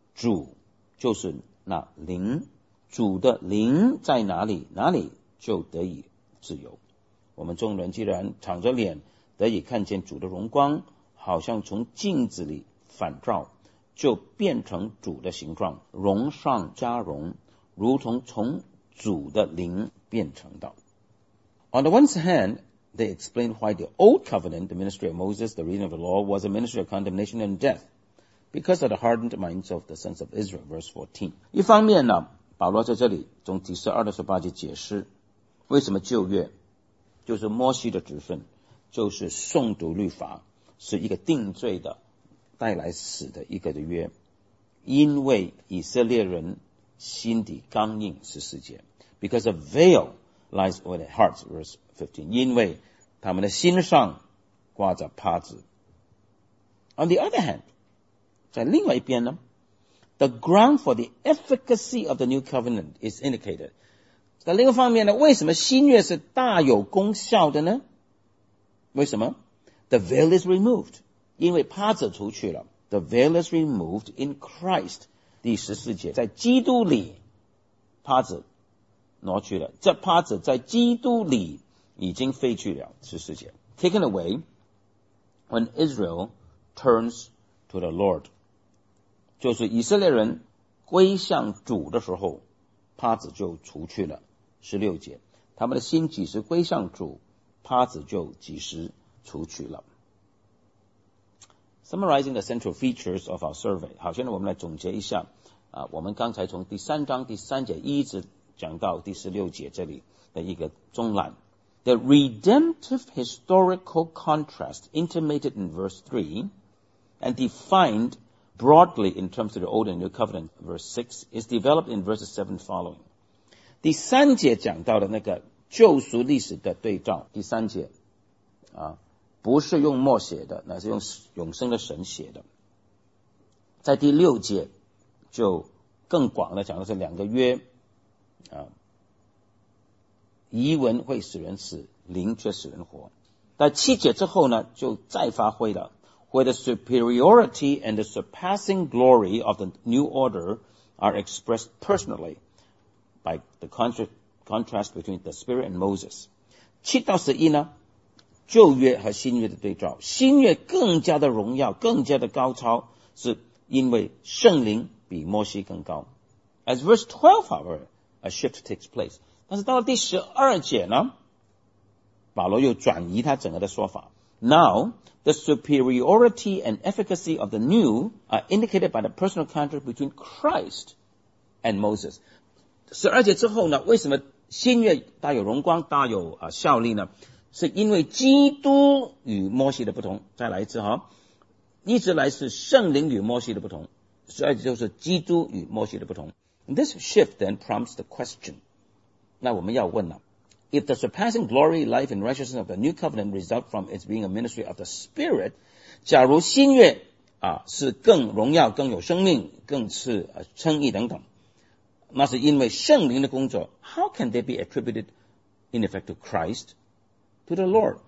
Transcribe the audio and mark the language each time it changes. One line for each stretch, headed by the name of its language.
Chinese: 主就是那灵，主的灵在哪里，哪里就得以自由。我们众人既然敞着脸得以看见主的荣光，好像从镜子里反照，就变成主的形状，荣上加荣，如同从主的灵变成的。
English: On the one hand,They explained why the old covenant, the ministry of Moses, the reading of the law, was a ministry of condemnation and death, because of the hardened minds of the sons of Israel, verse 14.
Chinese: 一方面呢，保罗在这里从第十二到十八节解释，为什么旧约就是摩西的职分，就是诵读律法，是一个定罪的，带来死的一个的约，因为以色列人心底刚硬，十四节 ，
English: because a veil lies over their hearts, verse 14.
Chinese: 因为他们的心上挂着帕子。
English: On the other hand,
Chinese: 在另外一边呢
English: ，the ground for the efficacy of the new covenant is indicated。
Chinese: 在另一方面呢，为什么新约是大有功效的呢？为什么 ？
English: The veil is removed，
Chinese: 因为帕子除去了。
English: The veil is removed in Christ。
Chinese: 第十四节，在基督里，帕子挪去了。这帕子在基督里已经废去了。十四节 ，
English: taken away when Israel turns to the Lord，
Chinese: 就是以色列人归向主的时候，帕子就除去了。十六节，他们的心几时归向主，帕子就几时除去了。
English: Summarizing the central features of our survey，
Chinese: 好，现在我们来总结一下啊，我们刚才从第三章第三节一直讲到第十六节这里的一个中览。
English: The redemptive historical contrast intimated in verse 3 and defined broadly in terms of the Old and New Covenant verse 6 is developed in verses 7 following.
Chinese: 第三节讲到的那个救赎历史的对照，第三节啊，不是用墨写的，乃是用永生的神写的。在第六节就更广的讲的是两个约啊，遗文会使人死，灵却使人活。在七节之后呢，就再发挥了
English: ，where the superiority and the surpassing glory of the new order are expressed personally by the contrast between the Spirit and Moses。
Chinese: 七到十一呢，旧约和新约的对照，新约更加的荣耀，更加的高超，是因为圣灵比摩西更高。
English: As verse 12, however, a shift takes place。
Chinese: 但是到了第十二节呢，保罗又转移他整个的说法。
English: Now, the superiority and efficacy of the new are indicated by the personal contrast between Christ and Moses.
Chinese: 十二节之后呢，为什么新约大有荣光，大有效力呢？是因为基督与摩西的不同。再来一次哈，一直来是圣灵与摩西的不同，十二节就是基督与摩西的不同。
English: This shift then prompts the question.
Chinese: 那我们要问了，
English: If the surpassing glory, life and righteousness of the new covenant result from its being a ministry of the Spirit，
Chinese: 假如新约啊是更荣耀，更有生命，更是称义等等，那是因为圣灵的工作，
English: How can they be attributed in effect to Christ, to the Lord？